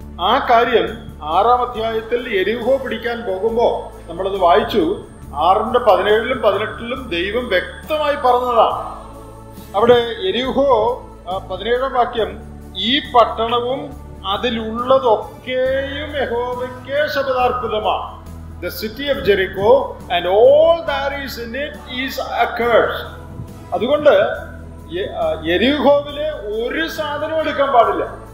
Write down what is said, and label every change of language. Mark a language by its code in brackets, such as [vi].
[ml] ആ കാര്യം 6-ാം അധ്യായത്തിൽ യെരിഹോ പിടിക്കാൻ പോകുമ്പോൾ നമ്മളത് വായിച്ചു. 6:17-18 ദൈവം വ്യക്തമായി പറഞ്ഞതാണ്. അവിടെ യെരിഹോ 17-ാം വാക്യം, ഈ പട്ടണവും അതിലുള്ളതൊക്കെയും യഹോവയ്ക്ക് ശപഥാർപ്പിതമാണ്. [en] The city of Jericho and all that is in it is accursed. [ml] അതുകൊണ്ട് യെരിഹോവിലെ ഒരു സാധനവും എടുക്കാൻ പാടില്ല.